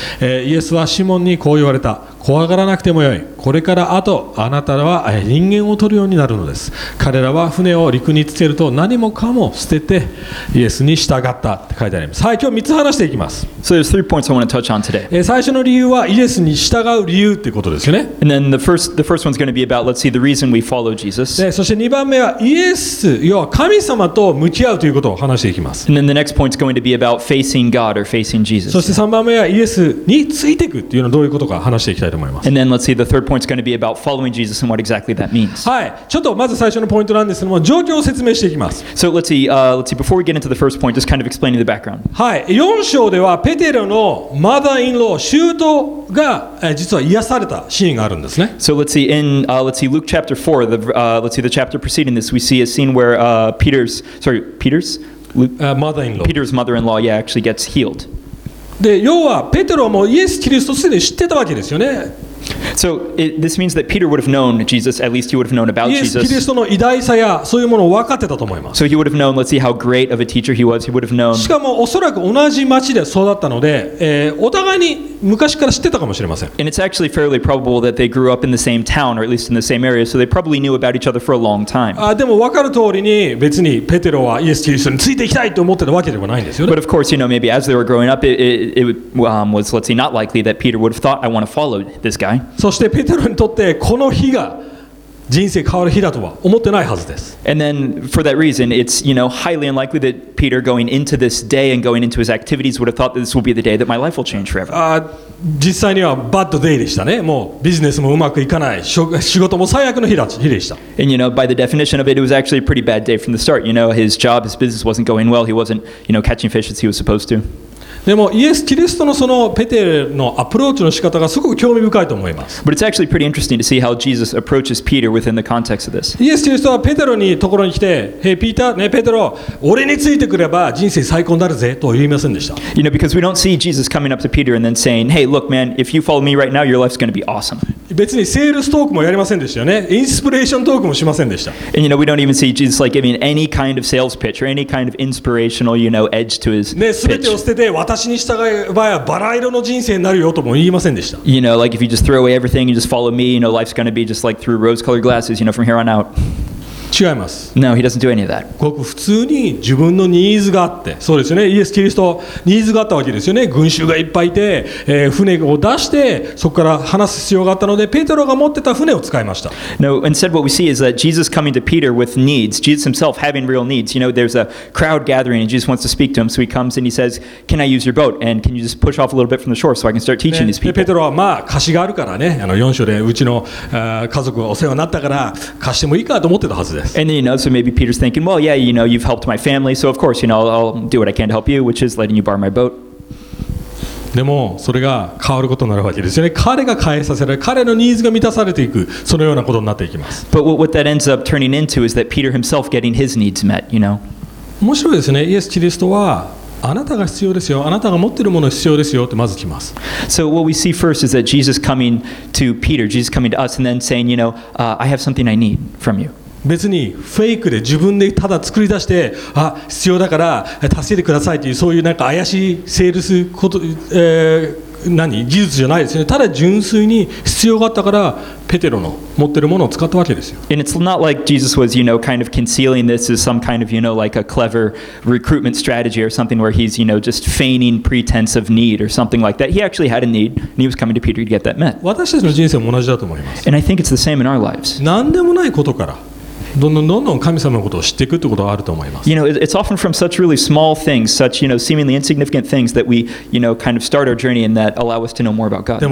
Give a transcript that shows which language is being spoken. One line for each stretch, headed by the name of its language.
Japanese: イエスはシモンにこう言われた。怖がらなくてもよい。これからあとあなたらは人間を取るようになるのです。彼らは船を陸につけると何もかも捨ててイエスに従ったって書いてあります。はい、今日3つ話していきます。
English: So there's three points I want to touch on today.
Japanese: 最初の理由はイエスに従う理由ってことですよね。
English: And then the first one's going to be about let's see the reason we follow Jesus.
Japanese: そして2番目はイエス、要は神様と向き合うということを話していきます。
English: And then the next point's going to be about facing God or facing Jesus.
Japanese: そして3番目はイエスについていくっていうのはどういうことか話していきたいと。
English: And then let's see, the third point is going to be about following Jesus and what exactly that means.
Japanese: はい、ちょっとまず最初のポイントなんですけども、状況を説明していきます。
English: So let's see, before we get into the first point, just kind of explaining the background.
Japanese: はい、4章ではペテロのマザーインロー、シュートが実は癒されたシーンがあるんですね。
English: So let's see, in, let's see, Luke chapter 4, the chapter preceding this, we see a scene where Peter's mother-in-law, yeah, actually gets healed.
Japanese: で、要はペテロもイエス・キリストをすでに知ってたわけですよね。
English: So, this means that Peter would have known Jesus, at least he would have known about Jesus.
Japanese: イエス・キリストの偉大さやそういうものを分かってたと思います。
English: So he would have known, let's see how great of a teacher he was, he would have known.
Japanese: しかもおそらく同じ町で育ったので、お互いに昔から知ってたかもしれません。
English: And it's actually fairly probable that they grew up in the same town or at least in the same area, so they probably knew about each other for a long time.
Japanese: でも分かる通りに別にペテロはイエス・キリストについていきたいと思ってたわけでもないんですよね。
English: But of course, you know, maybe as they were growing up, it was, let's see, not likely that Peter would have thought, I want to follow this guy.
Japanese: そしてペテロにとってこの日が人生変わる日だとは思ってないはずです。
English: And then for that reason, it's, you know, highly unlikely that Peter going into this day and going into his activities would have thought that this would be the day that my life will change forever.
Japanese: 実際にはバッドデイでしたね。もうビジネスもうまくいかない。仕事も最悪の日でした。
English: And you know, by the definition of it, it was actually a pretty bad day from the start. You know, his job, his business wasn't going well. He wasn't, you know, catching fish as he was supposed to.
Japanese: でもイエス・キリストのそのペテロのアプローチの仕方がすごく興味深いと思います。
English: But it's actually pretty interesting to see how Jesus approaches Peter within the context of this.
Japanese: イエス・キリストはペテロにところに来て、
English: Hey, Peter,
Japanese: ね、ペテロ、俺についてくれば人生最高になるぜと言いませんでした。
English: You know, because we don't see Jesus coming up to Peter and then saying, Hey, look, man, if you follow me right now, your life's going to be awesome.
Japanese: 別にセールストークもやりませんでしたよね。インスピレーショントークもしませんでした。
English: And you know, we don't even see Jesus like giving any kind of sales pitch or any kind of inspirational, you know, edge to his pitch.
Japanese: ね、全てを捨てて私に従えばやバラ色の人生になるよとも言いませんでした。
English: You know, like if you just throw away everything and just follow me, you know, life's going to be just like through rose-colored glasses, you know, from here on out.
Japanese: 違います。
English: No, he doesn't do any of that.
Japanese: ごく普通に自分のニーズがあって、そうですよね。イエス・キリストニーズがあったわけですよね。群衆がいっぱいいて、船を出して、そこから話す必要があったので、ペテロが持ってた船を使いました。
English: No, instead what we see is that Jesus coming to Peter with needs, Jesus himself having real needs. You know, there's a crowd gathering and Jesus wants to speak to him, so he comes and he says, can I use your boat? And can you just push off a little bit from the shore so I can start teaching these people?
Japanese: ペテロはまあ、貸しがあるからね。あの4章でうちの家族がお世話になったから、貸してもいいかと思ってたはずです。
English: And then, you know, so maybe Peter's thinking, well, yeah, you know, you've helped my family, so of course, you know, I'll do what I can to help you, which is letting you borrow my boat.
Japanese: でもそれが変わることになるわけですよね。彼が返させられ、彼のニーズが満たされていく、そのようなことになっていきます。
English: But what that ends up turning into is that Peter himself getting his needs met, you know.
Japanese: 面白いですね。イエス・キリストはあなたが必要ですよ。あなたが持っているものが必要ですよってまず来ます。
English: So what we see first is that Jesus coming to Peter, Jesus coming to us, and then saying, you know, I have something I need from you.
Japanese: 別にフェイクで自分でただ作り出して、あ、必要だから助けてくださいというそういうなんか怪しいセールスこと、何技術じゃないですよね。ただ純粋に必要があったからペテロの持ってるものを使ったわけですよ。
English: And it's not like Jesus was, you know, kind of concealing this as some kind of, you know, like a clever recruitment strategy or something where he's, you know, just feigning pretense of need or something like that. He actually had a need and he was coming to Peter to get that met.
Japanese: 私たちの人生も同じだと思います。
English: And I think it's the same in our lives.
Japanese: 何でもないことから。どんどんどんどん神様のことを知っていくってことはあると思います。
English: You know, it's often from such really small things, such, you know, seemingly insignificant things that we, you know, kind of start our journey and that allow us to know more about God.